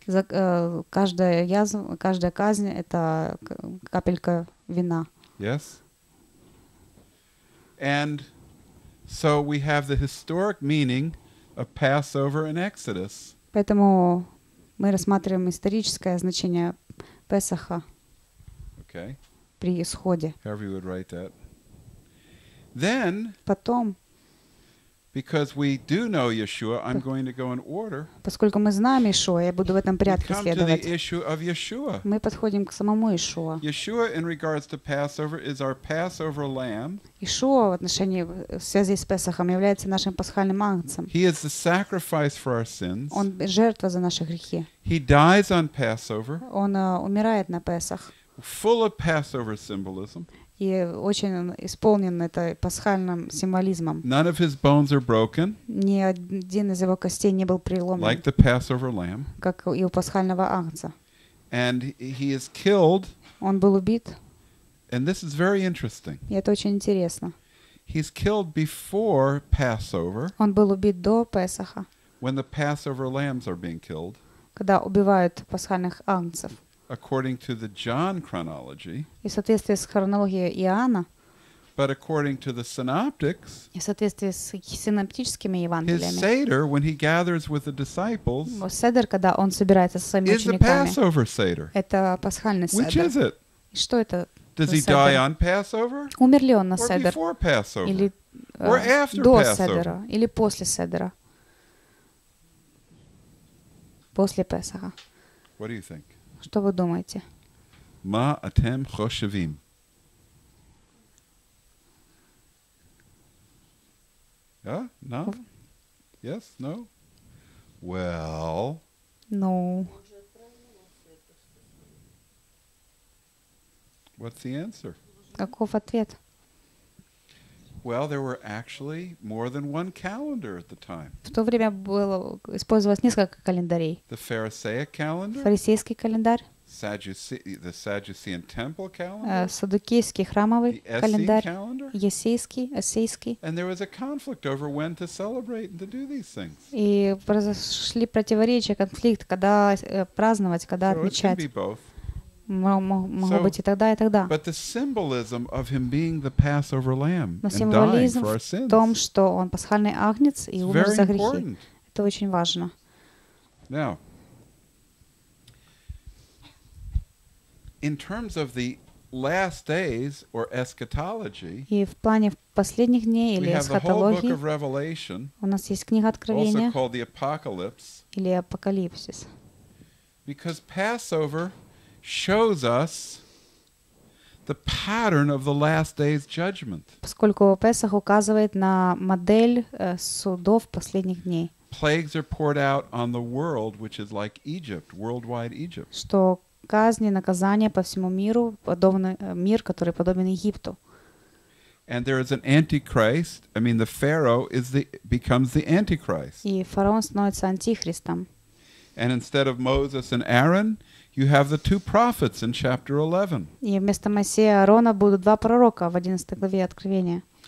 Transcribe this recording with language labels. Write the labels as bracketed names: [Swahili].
[Russian] За каждая язва, каждая казнь — это капелька вина. [English] Yes. And so we have the historic meaning of Passover and Exodus. [Russian] Поэтому мы рассматриваем историческое значение Песаха. [English] Okay. [Russian] При исходе. [English] However you would write that. Then, [Russian] потом, [English] because we do know Yeshua, I'm going to go in order. [Russian] Поскольку мы знаем Иешуа, я буду в этом порядке [English] come [Russian] следовать. [English] To the issue of Yeshua. [Russian] Мы подходим к самому Иешуа. [English] Yeshua, in regards to Passover, is our Passover lamb. [Russian] Иешуа в отношении в связи с Песахом является нашим пасхальным агнцем. [English] He is the sacrifice for our sins. [Russian] Он жертва за наши грехи. [English] He dies on Passover. [Russian] Он умирает на Песах. [English] Full of Passover symbolism. [Russian] И очень исполнен это пасхальным символизмом. [English] None of his bones are broken. [Russian] Ни один из его костей не был преломлен. [English] Like the Passover lamb. [Russian] Как и у пасхального агнца. [English] And he is killed. [Russian] Он был убит. [English] And this is very interesting. [Russian] И это очень интересно. [English] He's killed before Passover. [Russian] Он был убит до Песаха. [English] When the Passover lambs are being killed. [Russian] Когда убивают пасхальных агнцев. [English] According to the John chronology, [Russian] и в соответствии с хронологией Иоанна, [English] but according to the synoptics, [Russian] и в соответствии с синоптическими евангелиями, [English] his seder, when he gathers with the disciples, [Russian] седер, когда он собирается со своими учениками, [English] is the Passover seder. [Russian] Это пасхальный седер. [English] Which is it? [Russian] Что это? [English] Does he die on Passover? [Russian] Умер ли он на седер? [English] Or before Passover? [Russian] Или [English] or after [Russian] до [English] Passover? [Russian] Седера? Или после седера? После Песаха. [English] What do you think? [Russian] Что вы думаете? [Hebrew] Ма атем хошевим. [English] Yeah? No? Yes? No? Well. No. What's the answer? [Russian] Каков ответ? [English] Well, there were actually more than one calendar at the time. [Russian] В то время было использовалось несколько календарей. The Pharisaic calendar. Фарисейский календарь. The Sadducean temple calendar. Саддукейский храмовый календарь. Ессейский, Ассейский. [English] And there was a conflict over when to celebrate and to do these things. [Russian] И произошли противоречия, конфликт, когда праздновать, когда отмечать. [English] So it can be both. [Russian] Могло быть и тогда, и тогда. [English] But the symbolism of him being the Passover lamb and dying for our sins. [Russian] Но символизм в том, что он пасхальный агнец и умер за грехи. Это очень важно. [English] Now, in terms of the last days or eschatology, [Russian] и в плане последних дней или эсхатологии, [English] we have the whole book of [Russian] у нас есть книга Откровения, [English] also called the Apocalypse, [Russian] или Апокалипсис. [English] Because Passover shows us the pattern of the last day's judgment. [Russian] Поскольку Песах указывает на модель судов последних дней. [English] Plagues are poured out on the world, which is like Egypt, worldwide Egypt. [Russian] Что казни, наказания по всему миру, подобно мир, который подобен Египту. [English] And there is an antichrist. I mean, the Pharaoh is the becomes the antichrist. [Russian] И фараон становится антихристом. [English] And instead of Moses and Aaron, you have the two prophets in chapter 11. [Russian] И вместо Моисея и Аарона будут два пророка в 11 главе Откровения.